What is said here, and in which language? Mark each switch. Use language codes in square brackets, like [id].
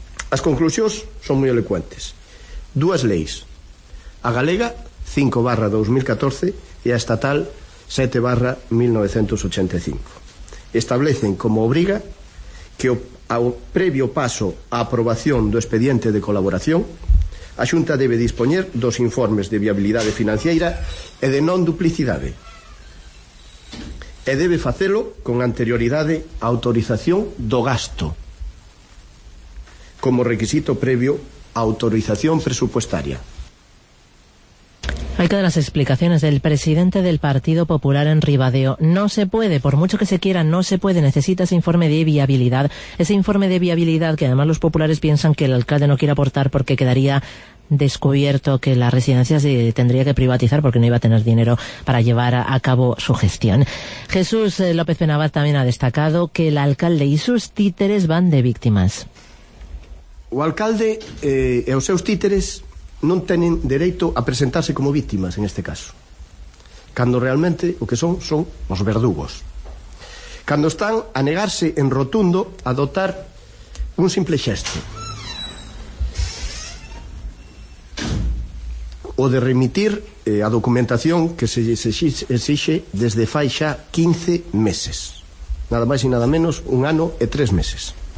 [gl] As conclusións son moi elocuentes. Dúas leis, a galega 5/2014 e a estatal 7/1985, establecen como obriga que ao previo paso á aprobación do expediente de colaboración, a Xunta debe dispoñer dos informes de viabilidade financeira e de non duplicidade, e debe facelo con anterioridade á autorización do gasto como requisito previo á autorización presupuestaria. [es] Hay que dar las explicaciones del presidente del Partido Popular en Ribadeo. No se puede, por mucho que se quiera, no se puede. Necesita ese informe de viabilidad. Ese informe de viabilidad que además los populares piensan que el alcalde no quiere aportar porque quedaría descubierto que la residencia se tendría que privatizar porque no iba a tener dinero para llevar a cabo su gestión. Jesús López Penabad también ha destacado que el alcalde y sus títeres van de víctimas. [gl] O alcalde e os seus títeres non teñen dereito a presentarse como víctimas en este caso, cando realmente o que son os verdugos, cando están a negarse en rotundo a dotar un simple xesto, o de remitir a documentación que se exixe desde fai xa 15 meses, nada máis e nada menos, un ano e 3 meses.